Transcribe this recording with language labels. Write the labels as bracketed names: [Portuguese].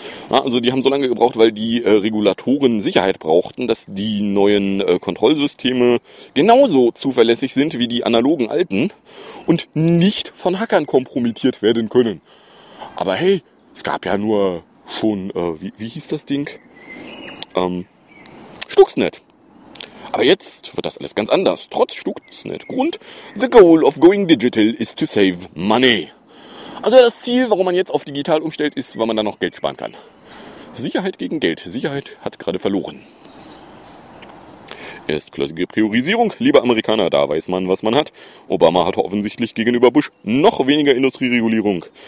[German] Ja, also die haben so lange gebraucht, weil die Regulatoren Sicherheit brauchten, dass die neuen Kontrollsysteme genauso zuverlässig sind wie die analogen alten und nicht von Hackern kompromittiert werden können. Aber hey, es gab ja nur schon, wie hieß das Ding? Stuxnet. Aber jetzt wird das alles ganz anders, trotz Stuxnet. [English] Grund, the goal of going digital is to save money. [German] Also das Ziel, warum man jetzt auf digital umstellt, ist, weil man da noch Geld sparen kann. Sicherheit gegen Geld. Sicherheit hat gerade verloren. Erstklassige Priorisierung. Liebe Amerikaner, da weiß man, was man hat. Obama hatte offensichtlich gegenüber Bush noch weniger Industrieregulierung.